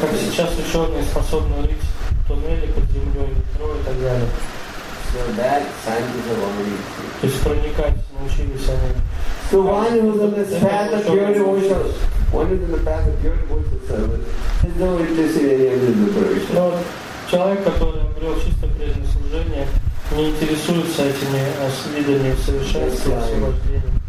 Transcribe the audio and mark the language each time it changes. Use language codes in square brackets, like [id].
[ru] Как сейчас ученые способны увидеть туннели под землей, метро и так далее. [en] So [ru] то есть проникать научились они. [en] So one who's on this path of pure devotion, one is in the path of pure devotion service, has no interest in any of the liberation. [ru] Но человек, который обрел чисто преданное служение, не интересуется этими видами совершенства и освобождения.